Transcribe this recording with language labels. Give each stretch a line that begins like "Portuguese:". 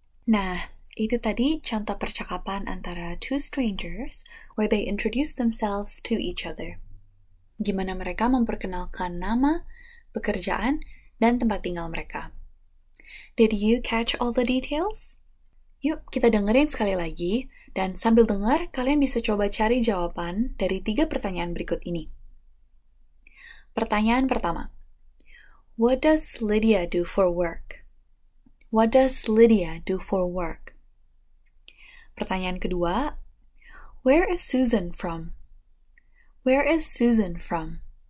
Indonesian: Nah, itu tadi contoh percakapan antara
English: two strangers where they introduce themselves to each other.
Indonesian: Gimana mereka memperkenalkan nama, pekerjaan, dan tempat tinggal mereka.
English: Did you catch all the details?
Indonesian: Yuk, kita dengerin sekali lagi, dan sambil dengar, kalian bisa coba cari jawaban dari tiga pertanyaan berikut ini. Pertanyaan pertama.
English: What does Lydia do for work? What does Lydia do for work?
Indonesian: Pertanyaan kedua,
English: where is Susan from? Where is Susan from?